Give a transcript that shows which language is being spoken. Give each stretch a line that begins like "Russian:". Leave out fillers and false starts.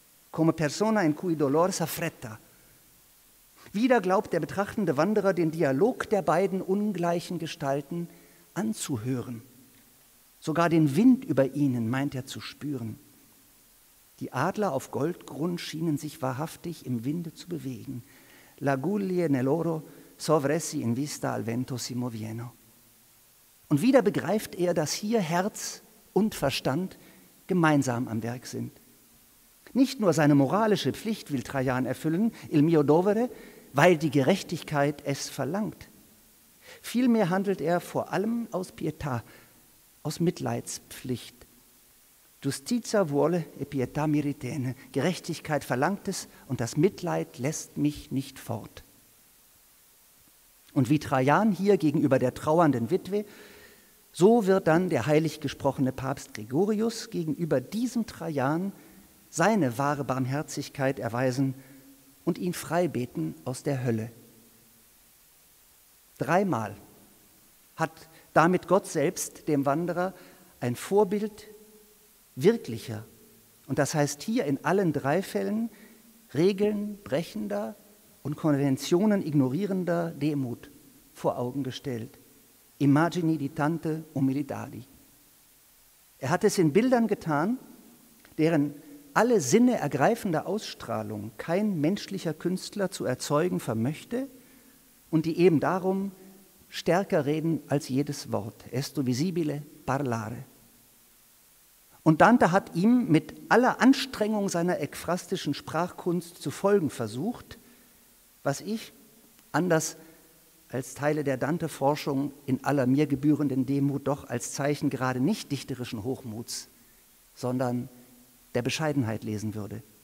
Italian: Come persona in cui dolor s'affretta.
German: Wieder glaubt der betrachtende Wanderer, den Dialog der beiden ungleichen Gestalten anzuhören. Sogar den Wind über ihnen meint er zu spüren. Die Adler auf Goldgrund schienen sich wahrhaftig im Winde zu bewegen.
Italian: La guglie nell'oro, sovressi in vista al vento si movieno.
German: Und wieder begreift er, dass hier Herz und Verstand gemeinsam am Werk sind. Nicht nur seine moralische Pflicht will Trajan erfüllen,
Italian: il mio dovere,
German: weil die Gerechtigkeit es verlangt. Vielmehr handelt er vor allem aus Pietà, aus Mitleidspflicht.
Italian: Giustizia vuole e pietà mi ritene.
German: Gerechtigkeit verlangt es und das Mitleid lässt mich nicht fort. Und wie Trajan hier gegenüber der trauernden Witwe, so wird dann der heilig gesprochene Papst Gregorius gegenüber diesem Trajan seine wahre Barmherzigkeit erweisen und ihn freibeten aus der Hölle. Dreimal hat damit Gott selbst dem Wanderer ein Vorbild wirklicher, und das heißt hier in allen drei Fällen, Regeln brechender und Konventionen ignorierender Demut vor Augen gestellt.
Italian: Immagini di tante umilitadi.
German: Er hat es in Bildern getan, deren alle Sinne ergreifende Ausstrahlung kein menschlicher Künstler zu erzeugen vermöchte und die eben darum stärker reden als jedes Wort.
Italian: Esto visibile parlare.
German: Und Dante hat ihm mit aller Anstrengung seiner ekphrastischen Sprachkunst zu folgen versucht, was ich, anders als Teile der Dante-Forschung, in aller mir gebührenden Demut doch als Zeichen gerade nicht dichterischen Hochmuts, sondern der Bescheidenheit lesen würde.